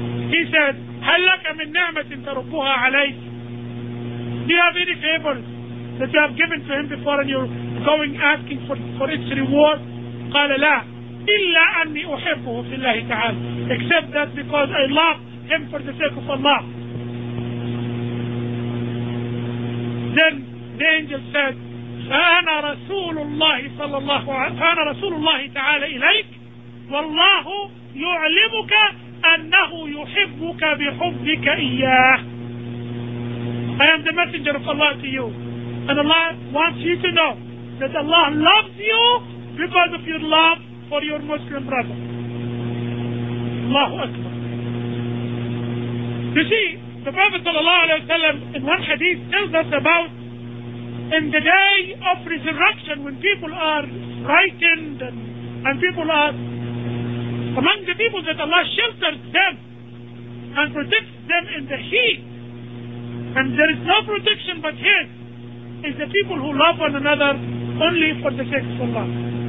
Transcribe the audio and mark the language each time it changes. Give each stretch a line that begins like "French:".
English: He said,
Arabic: هَلْ لَكَ مِنْ نَعْمَةٍ تَرُبُّهَا عَلَيْكَ
English: Do you have any favors that you have given to him before and you're going asking for its reward?
Arabic: قَالَ لَا إِلَّا أَنِّي أُحِبُّهُ فِي اللَّهِ تَعَالَ
English: Except that because I love him for the sake of Allah. Then the angel said,
Arabic: فَأَنَا رَسُولُ اللَّهِ صَلَّى اللَّهُ عَلَيْهِ فَأَنَا رَسُولُ اللَّهِ تَعَالَ إِلَيْكَ وَاللَّهُ يُعْلِمُكَ أَنَّهُ يُحِبُّكَ بِحُبِّكَ إِيَّاهُ
English: I am the messenger of Allah to you. And Allah wants you to know that Allah loves you because of your love for your Muslim brother. Allahu Akbar. You see, the Prophet sallallahu alayhi wa sallam in one hadith tells us about in the day of resurrection when people are frightened and people are among the people that Allah shelters them and protects them in the heat and there is no protection but His is the people who love one another only for the sake of Allah.